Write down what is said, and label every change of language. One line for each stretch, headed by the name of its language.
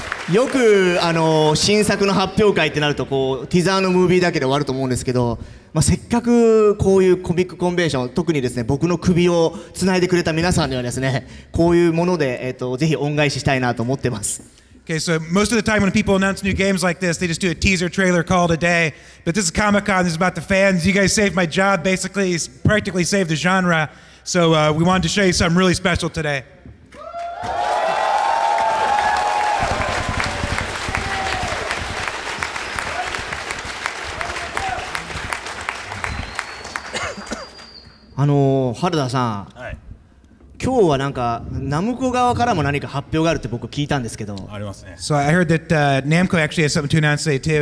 Japanese: よく新作の発表会ってなるとこうティザーのムービーだけで終わると思うんですけど、まあ、せっかくこういうコミックコンベンション、特にですね、僕の首をつないでくれた皆さんにはですね、こういうもので、ぜひ恩返ししたいなと思ってます。
English: Okay, so most of the time when people announce new games like this, they just do a teaser trailer called a day. But this is Comic-Con, this is about the fans. You guys saved my job, basically, practically saved the genre. So we wanted to show you something really special today. Haruda-san. Hi.
Japanese: 今日はなんかナムコ側からも何か発表があるって僕聞いたんですけど。ありますね。
English: So I heard that Namco actually has something to announce today too.